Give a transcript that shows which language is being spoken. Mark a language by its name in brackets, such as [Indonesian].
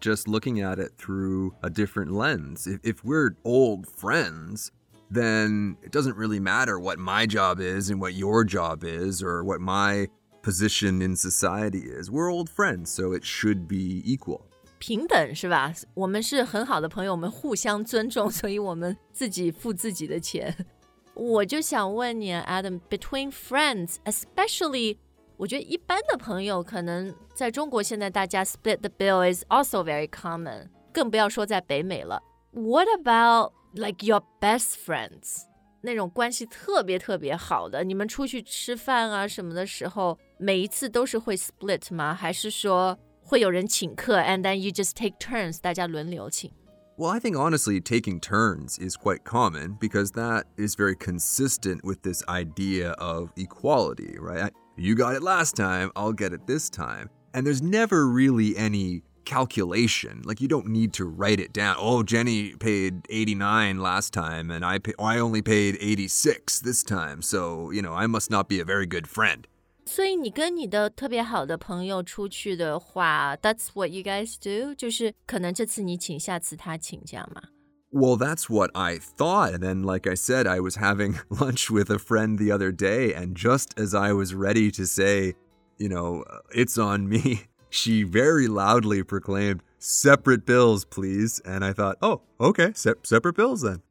[English] Just looking at it through a different lens. If we're old friends, then it doesn't really matter what my job is and what your job is or what my position in society is. We're old friends, so it should be equal. [Chinese] 平等是吧？我们是很好的朋友，我们互相尊重，所以我们自己付自己的钱。我就想问你 Adam, [English] between friends, especially, [Chinese] 我觉得一般的朋友可能在中国现在大家 [English] split the bill is also very common, [Chinese] 更不要说在北美了。 [English] What about like your best friends? [Chinese] 那种关系特别特别好的，你们出去吃饭啊什么的时候，每一次都是会 split 吗？还是说会有人请客 [English] and then you just take turns, [Chinese] 大家轮流请。 [English] Well, I think honestly, taking turns is quite common because that is very consistent with this idea of equality, right? You got it last time, I'll get it this time. And there's never really any calculation. Like, you don't need to write it down. Oh, Jenny paid 89 last time and I only paid 86 this time. So, you know, I must not be a very good friend. [Chinese] 所以你跟你的特别好的朋友出去的话 [English] That's what you guys do? [Chinese] 就是可能这次你请下次他请这样吗 [English] Well, that's what I thought. And then, like I said, I was having lunch with a friend the other day. And just as I was ready to say, you know, it's on me, she very loudly proclaimed, separate bills, please. And I thought, oh, okay, separate bills then.